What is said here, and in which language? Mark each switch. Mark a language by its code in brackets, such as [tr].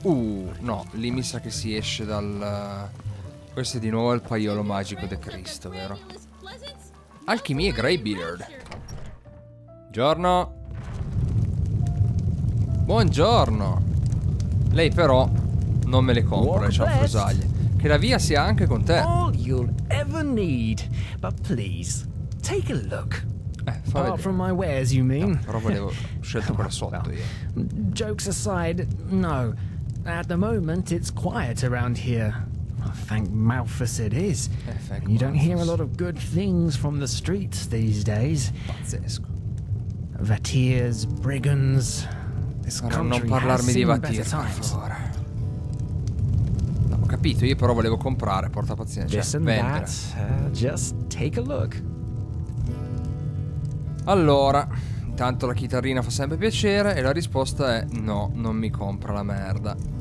[it] No, lì mi sa che si esce dal. Questo è di nuovo il paiolo magico di Cristo, vero? Alchimie Greybeard. Buongiorno. Buongiorno. Lei però non me le compra le cianfrusaglie. Che la via sia anche con te. [en] All you'll ever need, but please take a look. Apart from my wares, you mean? [it] No, però volevo scelto quella sotto io. [en] Jokes aside, no. At the moment it's quiet around here. Thank Malthus it is. You don't hear a lot of good things from the streets these days. [it] Pazzesco. [en] Vatiers, brigands. This country [it] non parlarmi di Vatier, per favore. No, ho capito, io però volevo comprare, porta pazienza, cioè, vendere. [en] That, just take a look. [it] Allora, intanto la chitarrina fa sempre piacere e la risposta è no, non mi compra la merda.